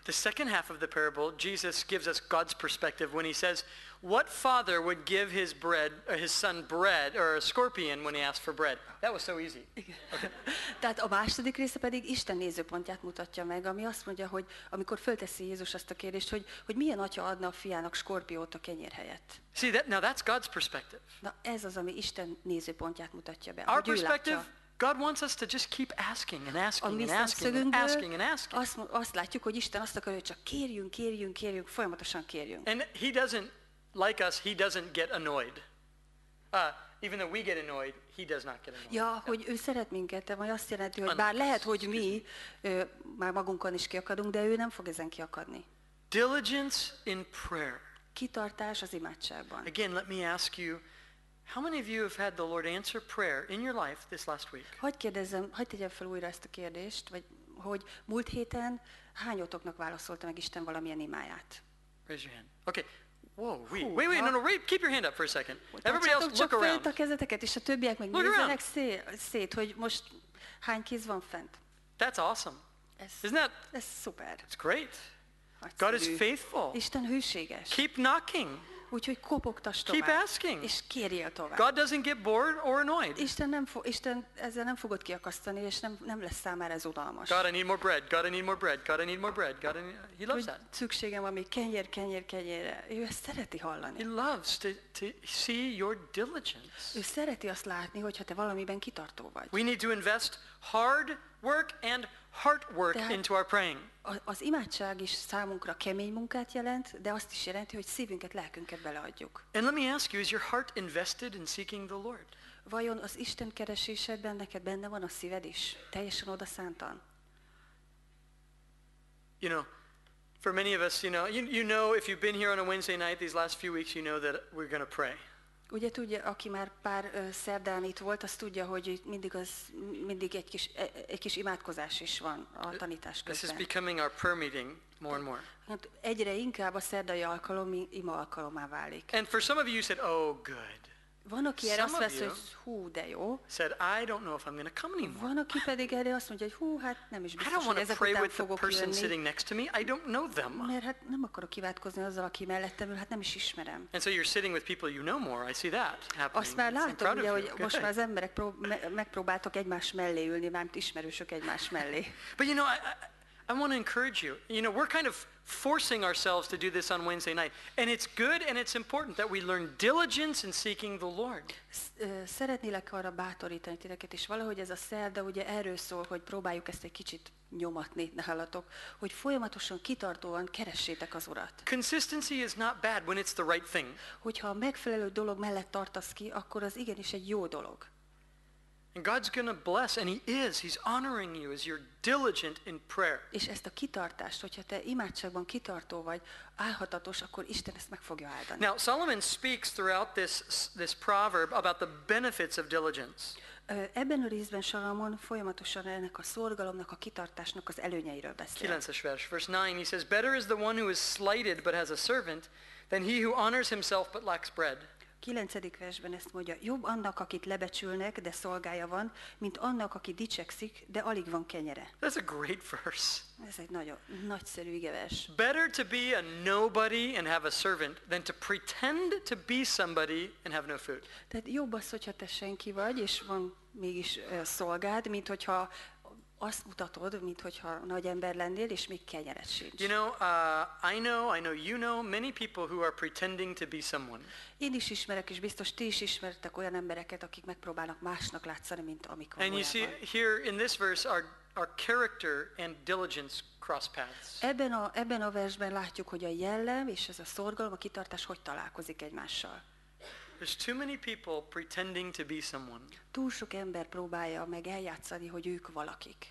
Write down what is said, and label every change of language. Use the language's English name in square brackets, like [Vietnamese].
[English] The second half of the parable, Jesus gives us God's perspective when he says, what father would give his bread, or his son bread, or a scorpion when he asked for bread? That was so easy. Okay. [Hungarian] Tehát a második része pedig Isten nézőpontját mutatja meg, ami azt mondja, hogy amikor fölteszi Jézus azt a kérdést, hogy milyen atya adna a fiának skorpiót a kenyér helyett. [English] See, that, now that's God's perspective. [Hungarian] Na ez az, ami Isten nézőpontját mutatja be. [English] Our perspective, God wants us to just keep asking and asking and asking and asking and asking. [Hungarian] Azt látjuk, hogy Isten azt akarja, hogy csak kérjünk, kérjünk, kérjünk, folyamatosan kérjünk. [English] And he doesn't, like us, he doesn't get annoyed. Even though we get annoyed, he does not get annoyed. [Hungarian] Ja, hogy ő szeret minket, de majd azt jelenti, hogy bár lehet, hogy mi már magunkon is kiakadunk, de ő nem fog ezen kiakadni. [English] Diligence in prayer. [Hungarian] Kitartás az imádságban. [English] Again, let me ask you, how many of you have had the Lord answer prayer in your life this last week? [Hungarian] Hogy kérdezem, hogy tegyem fel újra ezt a kérdést, vagy hogy múlt héten hányotoknak válaszolta meg Isten valamilyen imáját? [English] Raise your hand. Okay. Whoa, wait, keep your hand up for a second. Everybody else, look around. [Hungarian] Csak fel a kezeteket, és a többiek meg nézzenek szét, hogy most hány kéz van fent. [English] That's awesome. Isn't that? [Hungarian] Ez szuper. [English] It's great. God is faithful. [Hungarian] Isten hűséges. [English] Keep knocking. [Hungarian] Úgyhogy kopogtass tovább. [English] Keep asking. [Hungarian] És kérjél tovább. [English] God doesn't get bored or annoyed. [Hungarian] Isten ezzel nem fogod kiakasztani, és nem lesz számára ez unalmas. [English] God, I need more bread. God, I need more bread. God, I need more bread. God, I need... He loves that. [Hungarian] Szükségem van még kenyér, kenyér, kenyérre. Ő ezt szereti hallani. [English] He loves to see your diligence. [Hungarian] Ő szereti azt látni, hogyha te valamiben kitartó vagy. [English] We need to invest hard work and heart work into our praying. [Hungarian] Az imádság is számunkra kemény munkát jelent, de azt is jelenti, hogy szívünket, lelkünket beleadjuk. [English] And let me ask you, is your heart invested in seeking the Lord? [Hungarian] Vajon az Isten keresésedben neked benne van a szíved is? Teljesen oda szántan? [English] You know, for many of us, you know, if you've been here on a Wednesday night these last few weeks, you know that we're going to pray. [Hungarian] Ugye tudja, aki már pár szerdán itt volt, az tudja, hogy mindig egy kis imádkozás is van a tanítás közben. [English] This is becoming our prayer meeting more and more. [Hungarian] Hát egyre inkább a szerdai alkalom ima alkalommá válik. [English] And for some of you said, oh good. [Hungarian] Van, aki erre azt vesz, hogy hú, de jó. [English] Said, I don't know if I'm gonna come anymore. [Hungarian] Van, aki pedig erre azt mondja, hogy hú, hát nem is biztos, hogy ezek után fogok jönni. [English] Person sitting next to me. I don't know them. [Hungarian] Mert hát nem akarok kivátkozni azzal, aki mellettem ül, hát nem is ismerem. [English] And so you're sitting with people you know more. I see that happening. [Hungarian] Azt már látom, ugye, hogy most már az emberek megpróbáltak egymás mellé ülni, mert ismerősök egymás mellé. [English] But you know, I want to encourage you. You know, we're kind of forcing ourselves to do this on Wednesday night. And it's good and it's important that we learn diligence in seeking the Lord. [Hungarian] Szeretnélek arra bátorítani titeket, és valahogy ez a szerda ugye erről szól, hogy próbáljuk ezt egy kicsit nyomatni nálatok, hogy folyamatosan kitartóan keressétek az Urat. [English] Consistency is not bad when it's the right thing. [Hungarian] Hogyha a megfelelő dolog mellett tartasz ki, akkor az igenis egy jó dolog. [English] And God's going to bless, and he is. He's honoring you as you're diligent in prayer. [Hungarian] És ezt a kitartást, hogyha te imádságban kitartó vagy, álhatatos, akkor Isten ezt meg fogja áldani. [English] Now, Solomon speaks throughout this proverb about the benefits of diligence. [Hungarian] Ebben a részben Salamon folyamatosan ennek a szorgalomnak, a kitartásnak az előnyeiről beszél. 9. vers, [English] verse 9, he says, better is the one who is slighted but has a servant than he who honors himself but lacks bread. [Hungarian] 9. versben ezt mondja, jobb annak, akit lebecsülnek, de szolgája van, mint annak, aki dicsekszik, de alig van kenyere. [English] That's a great verse. [Hungarian] Ez egy nagyon nagyszerű igevers. [English] Better to be a nobody and have a servant than to pretend to be somebody and have no food. [Hungarian] Tehát jobb az, hogyha te senki vagy, és van mégis szolgád, mint hogyha azt mutatod, mint hogyha nagy ember lennél, és még kenyered sincs. [English] You know, I know, you know many people who are pretending to be someone. [Hungarian] Én is ismerek, és biztos ti is ismertek olyan embereket, akik megpróbálnak másnak látszani, mint amik valójában. [English] And you see, here in this verse are our character and diligence cross paths. [Hungarian] Ebben a versben látjuk, hogy a jellem és ez a szorgalom, a kitartás hogy találkozik egymással. [English] There's too many people pretending to be someone. [Hungarian] Túl sok ember próbálja meg eljátszani, hogy ők valakik.